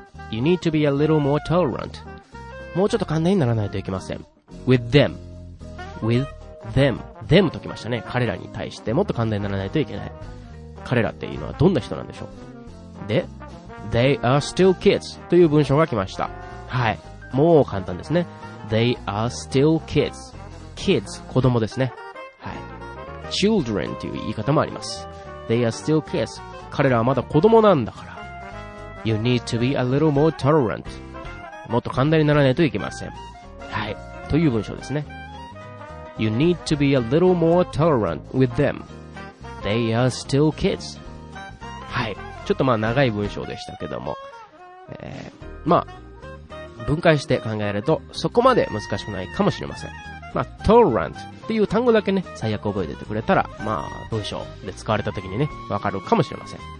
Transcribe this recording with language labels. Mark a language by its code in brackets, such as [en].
[en] You need to be a little more tolerant. [ja] もうちょっと寛大にならないといけません。 [en] With them. With them. Them [ja] ときましたね。彼らに対してもっと寛大にならないといけない。彼らっていうのはどんな人なんでしょう。で、 [en] They are still kids [ja] という文章が来ました。はい。もう簡単ですね。 [en] They are still kids. Kids、 [ja] 子供ですね。 [en] Children [ja] という言い方もあります。 [en] They are still kids. [ja] 彼らはまだ子供なんだから。 [en] You need to be a little more tolerant. [ja] もっと寛大にならないといけません。はい。という文章ですね。 [en] You need to be a little more tolerant with them. They are still kids. はい。 [ja] ちょっとまあ長い文章でしたけども。まあ、分解して考えるとそこまで難しくないかもしれません。まあ、tolerant っていう単語だけね、最悪覚えててくれたら、まあ、文章で使われた時にね、わかるかもしれません。